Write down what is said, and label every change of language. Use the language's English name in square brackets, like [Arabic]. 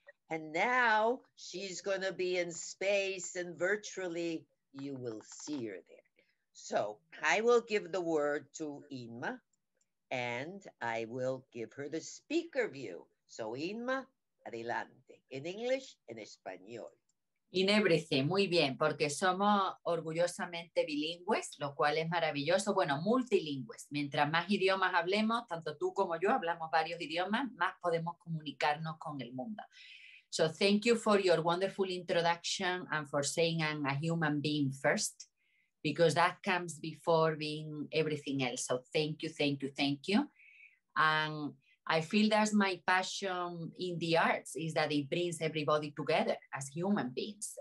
[English] And now she's going to be in space and virtually you will see her there. So I will give the word to Inma and I will give her the speaker view. So Inma, adelante, in English and español. In everything, [Spanish] muy bien, porque somos orgullosamente bilingües, lo cual es maravilloso. Bueno, multilingües. Mientras más idiomas hablemos, tanto tú como yo hablamos varios idiomas, más podemos comunicarnos con el mundo. [English] So thank you for your wonderful introduction and for saying I'm a human being first, because that comes before being everything else. So thank you, thank you, thank you. And I feel that's my passion in the arts, is that it brings everybody together as human beings.